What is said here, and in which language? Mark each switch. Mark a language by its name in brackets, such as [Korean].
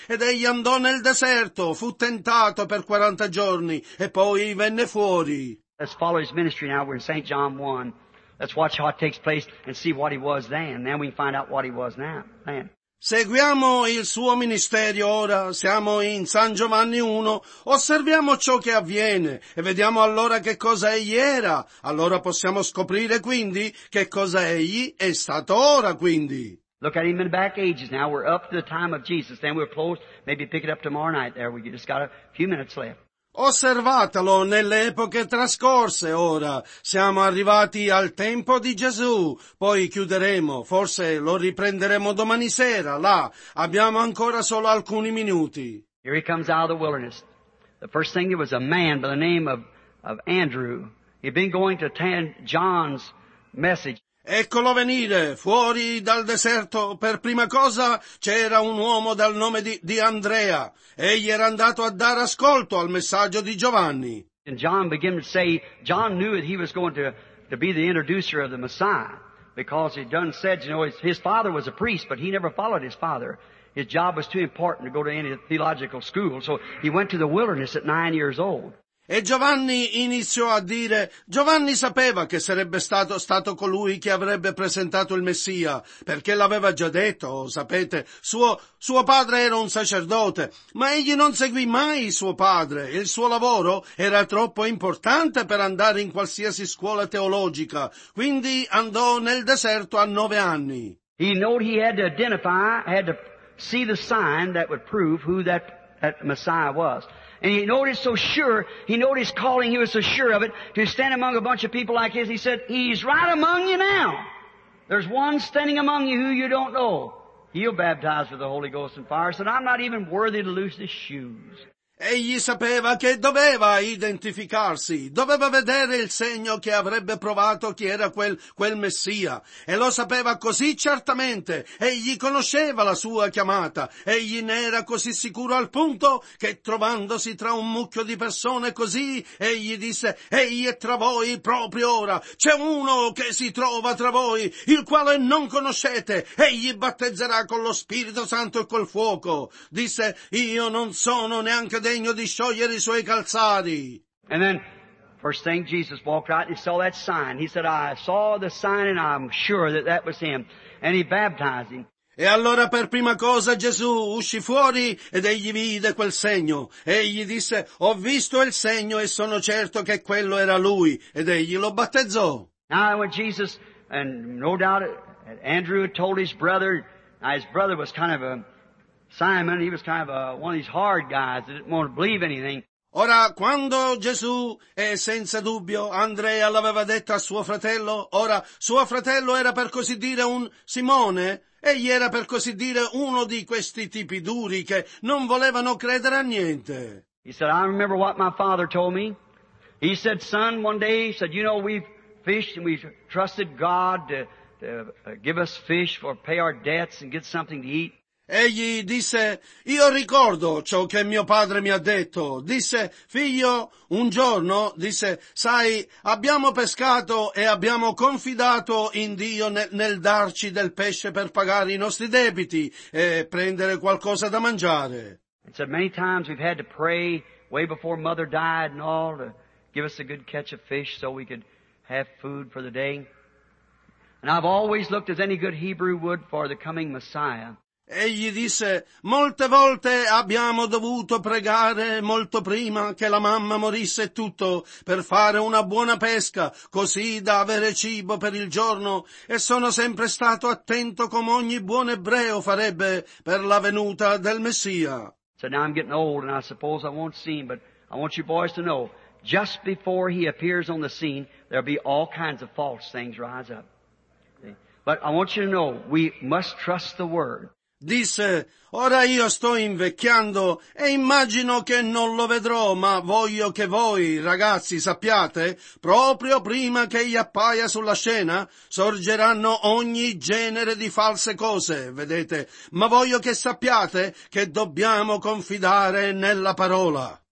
[Italian] Ed egli andò nel deserto, fu tentato per 40 giorni, e poi venne fuori. [English] Let's follow his ministry now, we're in St. John 1. Let's watch how it takes place and see what he was then. Then we can find out what he was now. Then. [Italian] Seguiamo il suo ministerio ora. Siamo in San Giovanni 1. Osserviamo ciò che avviene e vediamo allora che cosa egli era. Allora possiamo scoprire quindi che cosa egli è stato ora quindi. [English] Look at him in the back ages now. We're up to the time of Jesus. Then we're close. Maybe pick it up tomorrow night there. We just got a few minutes left. [Italian] Osservatelo nelle epoche trascorse ora. Siamo arrivati al tempo di Gesù. Poi chiuderemo. Forse lo riprenderemo domani sera, là. Abbiamo ancora solo alcuni minuti. [English] Here he comes out of the wilderness. The first thing, it was a man by the name of Andrew. He'd been going to attend John's message. [Italian] Eccolo venire, fuori dal deserto, per prima cosa c'era un uomo dal nome di Andrea. Egli era andato a dare ascolto al messaggio di Giovanni. [English] And John began to say, John knew that he was going to be the introducer of the Messiah, because he'd done said, you know, his father was a priest, but he never followed his father. His job was too important to go to any theological school, so he went to the wilderness at 9 years old. [Italian] E Giovanni iniziò a dire, Giovanni sapeva che sarebbe stato colui che avrebbe presentato il Messia, perché l'aveva già detto, sapete, suo padre era un sacerdote, ma egli non seguì mai suo padre, il suo lavoro era troppo importante per andare in qualsiasi scuola teologica, quindi andò nel deserto a 9 anni. [English] He knew he had to identify, had to see the sign that would prove who that Messiah was. And he noticed so sure, he noticed calling, he was so sure of it, to stand among a bunch of people like his. He said, he's right among you now. There's one standing among you who you don't know. He'll baptize with the Holy Ghost and fire. Said, I'm not even worthy to loose his shoes. [Italian] Egli sapeva che doveva identificarsi, doveva vedere il segno che avrebbe provato chi era quel Messia, e lo sapeva così certamente, egli conosceva la sua chiamata, egli ne era così sicuro al punto che trovandosi tra un mucchio di persone così, egli disse, egli è tra voi proprio ora, c'è uno che si trova tra voi, il quale non conoscete, egli battezzerà con lo Spirito Santo e col fuoco, disse, io non sono neanche degno di sciogliere i suoi calzari. [English] And then, first thing, Jesus walked out and he saw that sign. He said, I saw the sign and I'm sure that that was him. And he baptized him. [Italian] E allora per prima cosa Gesù uscì fuori ed egli vide quel segno. Egli disse, ho visto il segno e sono certo che quello era lui. Ed egli lo battezzò. [English] Now when Jesus, and no doubt Andrew had told his brother, now his brother was kind of a Simon, he was kind of one of these hard guys that didn't want to believe anything. [Italian] Ora, quando Gesù, e senza dubbio, Andrea l'aveva detto a suo fratello, ora, suo fratello era per così dire un Simone, egli era per così dire uno di questi tipi duri che non volevano credere a niente. [English] He said, I remember what my father told me. He said, son, one day, he said, you know, we've fished and we've trusted God to give us fish for pay our debts and get something to eat. [Italian] Egli disse, io ricordo ciò che mio padre mi ha detto. Disse, figlio, un giorno, disse, sai, abbiamo pescato e abbiamo confidato in Dio nel darci del pesce per pagare i nostri debiti e prendere qualcosa da mangiare. [English] He said, many times we've had to pray way before mother died and all to give us a good catch of fish so we could have food for the day. And I've always looked as any good Hebrew would for the coming Messiah. [Italian] Egli disse, molte volte abbiamo dovuto pregare molto prima che la mamma morisse tutto per fare una buona pesca, così da avere cibo per il giorno, e sono sempre stato attento come ogni buon ebreo farebbe per la venuta del Messia. [English] So now I'm getting old and I suppose I won't see him, but I want you boys to know, just before he appears on the scene, there'll be all kinds of false things rise up. But I want you to know, we must trust the Word. [Italian] Disse, ora io sto invecchiando e immagino che non lo vedrò, ma voglio che voi, ragazzi, sappiate, proprio prima che egli appaia sulla scena, sorgeranno ogni genere di false cose, vedete, ma voglio che sappiate che dobbiamo confidare nella parola.